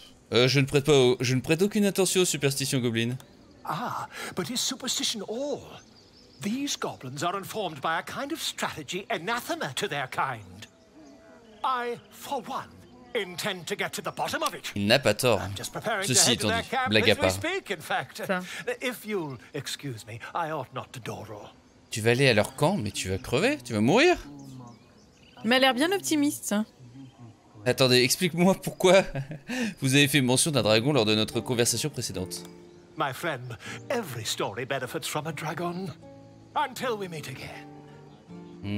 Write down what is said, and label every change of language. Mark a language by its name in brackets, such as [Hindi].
[French] Je ne prête aucune attention aux superstitions gobelines. [English] Ah, but is superstition all? These goblins are informed by a kind of strategy anathema to their kind. I, for one, intend to get to the bottom of it. [French] Il n'a pas tort. [English] I'm just preparing [French] Ceci étant dit, blague à part. [English] Speak, in fact. If you'll excuse me, I ought not to dawdle. [French] Tu vas aller à leur camp, mais tu vas crever, tu vas mourir. Il m'a l'air bien optimiste. Attendez, explique-moi pourquoi vous avez fait mention d'un dragon lors de notre conversation précédente. [English] My friend, every story benefits from a dragon. Until we meet again.